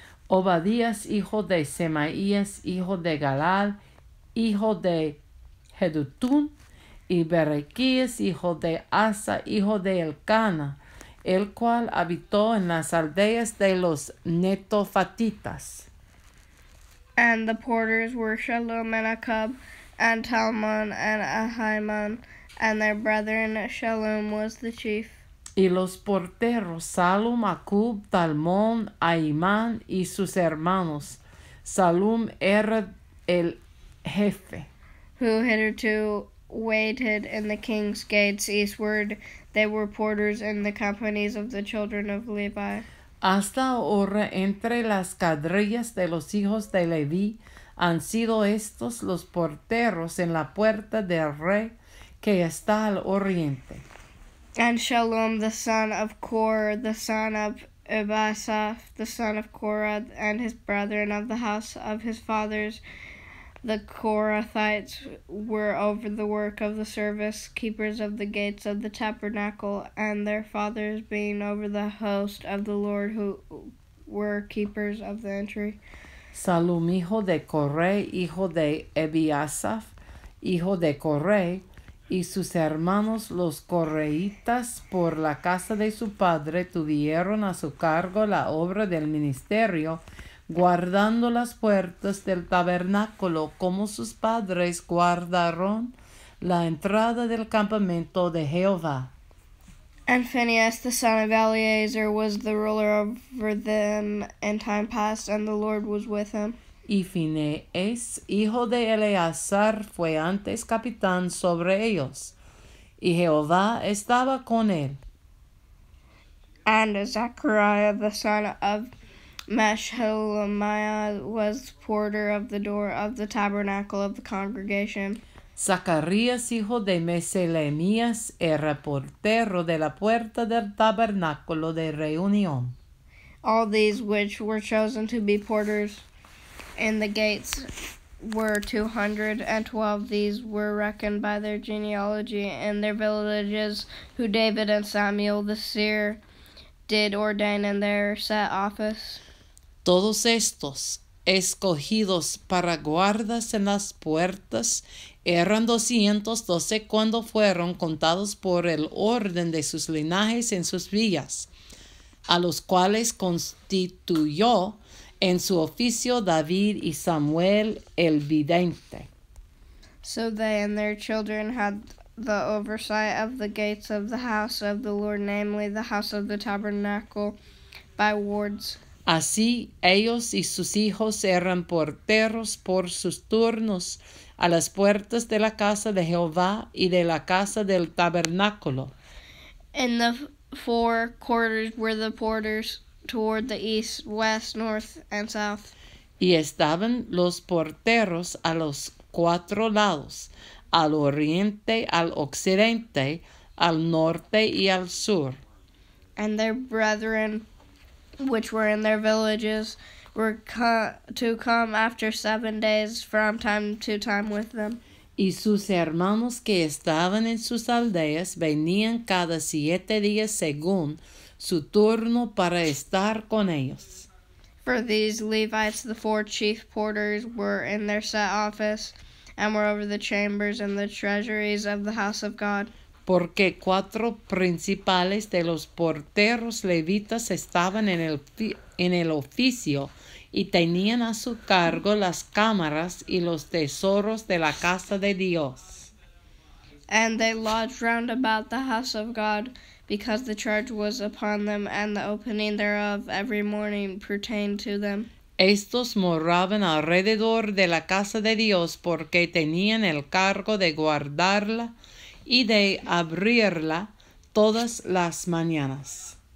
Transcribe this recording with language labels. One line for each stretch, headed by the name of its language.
Spanish: Obadiah, hijo de Semaías, hijo de Galal, hijo de Hedutun, y Berequías, hijo de Asa, hijo de Elcana, el cual habitó en las aldeas de los Netofatitas.
English: And the porters were Shalom and Akub, and Talmon and Ahimon, and their brethren Shalom was the chief.
Spanish: Y los porteros, Salum, Akub, Talmon, Ahimon, y sus hermanos, Salum era el jefe.
English: Who hitherto waited in the king's gates eastward, they were porters in the companies of the children of Levi.
Spanish: Hasta ahora entre las cuadrillas de los hijos de Leví han sido estos los porteros en la puerta del rey que está al oriente.
English: And Shalom, the son of Kor, the son of Ebasaph, the son of Korah, and his brethren of the house of his fathers, the Korathites, were over the work of the service, keepers of the gates of the tabernacle, and their fathers being over the host of the Lord, who were keepers of the entry.
Spanish: Salum, hijo de Coré, hijo de Ebiasaph, hijo de Coré, y sus hermanos los Coreitas, por la casa de su padre, tuvieron a su cargo la obra del ministerio, guardando las puertas del tabernáculo como sus padres guardaron la entrada del campamento de Jehová.
English: And Phinehas, the son of Eleazar, was the ruler over them in time past, and the Lord was with him.
Spanish: Y Phinehas, hijo de Eleazar, fue antes capitán sobre ellos, y Jehová estaba con él.
English: And Zechariah, the son of Meshelemiah, was porter of the door of the tabernacle of the congregation.
Spanish: Zacarías, hijo de Meselemías, era portero de la puerta del tabernáculo de reunión.
English: All these which were chosen to be porters in the gates were 212. These were reckoned by their genealogy and their villages, who David and Samuel the seer did ordain in their set office.
Spanish: Todos estos, escogidos para guardas en las puertas, eran 212 cuando fueron contados por el orden de sus linajes en sus villas, a los cuales constituyó en su oficio David y Samuel el vidente.
English: So they and their children had the oversight of the gates of the house of the Lord, namely the house of the tabernacle, by wards.
Spanish: Así, ellos y sus hijos eran porteros por sus turnos a las puertas de la casa de Jehová y de la casa del tabernáculo.
English: In the four quarters were the porters, toward the east, west, north, and south.
Spanish: Y estaban los porteros a los cuatro lados, al oriente, al occidente, al norte y al sur.
English: And their brethren, which were in their villages, were to come after 7 days from time to time with them.
Spanish: Y sus hermanos que estaban en sus aldeas venían cada 7 días según su turno para estar con ellos.
English: For these Levites, the four chief porters were in their set office and were over the chambers and the treasuries of the house of God.
Spanish: Porque cuatro principales de los porteros levitas estaban en el oficio y tenían a su cargo las cámaras y los tesoros de la casa de Dios.
English: And they lodged round about the house of God, because the charge was upon them, and the opening thereof every morning pertained to them.
Spanish: Estos moraban alrededor de la casa de Dios, porque tenían el cargo de guardarla y de abrirla todas las mañanas.